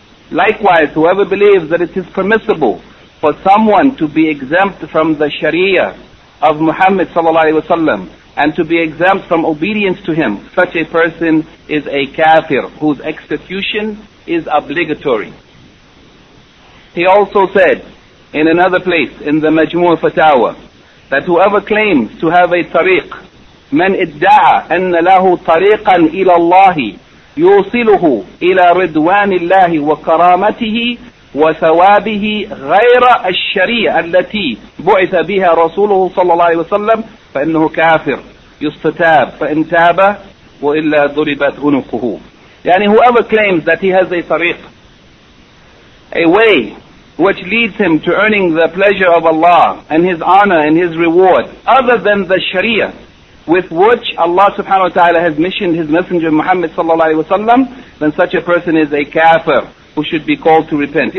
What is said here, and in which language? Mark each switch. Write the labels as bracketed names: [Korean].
[English] Likewise, whoever believes that it is permissible for someone to be exempt from the Sharia of Muhammad ﷺ and to be exempt from obedience to him, such a person is a kafir, whose execution is obligatory. He also said in another place, in the Majmu' Fatawa, that whoever claims to have a tariq, [Arabic] من ادعى أن له طريقا إلى الله يوصله إلى رضوان الله وكرامته وثوابه غير الشريعة التي بعث بها رسوله صلى الله عليه وسلم فإنه كافر. يستتاب فإن تاب وإلا ضربت عنقه. [English] يعني whoever claims that he has a tariq, a way which leads him to earning the pleasure of Allah and his honor and his reward other than the Sharia, with which Allah subhanahu wa ta'ala has missioned his messenger Muhammad sallallahu alayhi wa sallam, then such a person is a kafir who should be called to repent.